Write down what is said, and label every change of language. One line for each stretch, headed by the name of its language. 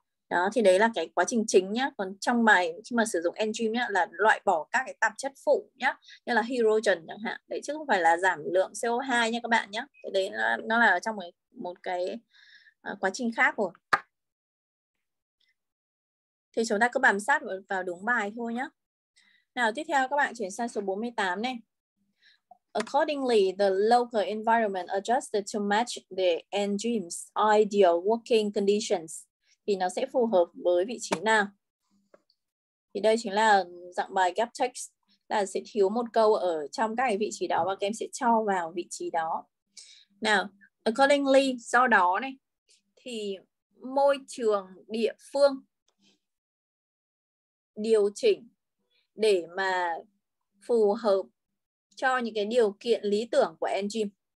Vietnamese: Đó, thì đấy là cái quá trình chính nhá. Còn trong bài khi mà sử dụng enzyme nhá, là loại bỏ các cái tạp chất phụ nhá, như là hydrogen chẳng hạn. Đấy, chứ không phải là giảm lượng CO2 nha các bạn nhá. Cái đấy nó là trong một cái quá trình khác rồi. Thì chúng ta cứ bám sát vào đúng bài thôi nhá. Nào, tiếp theo các bạn chuyển sang số 48 này.
English: Accordingly, the local environment adjusted to match the enzyme's ideal working conditions.
Vietnamese: Thì nó sẽ phù hợp với vị trí nào? Thì đây chính là dạng bài gap text, là sẽ thiếu một câu ở trong các vị trí đó và các em sẽ cho vào vị trí đó.
English: Now, accordingly,
Vietnamese: do đó này, thì môi trường địa phương điều chỉnh để mà phù hợp cho những cái điều kiện lý tưởng của enzyme.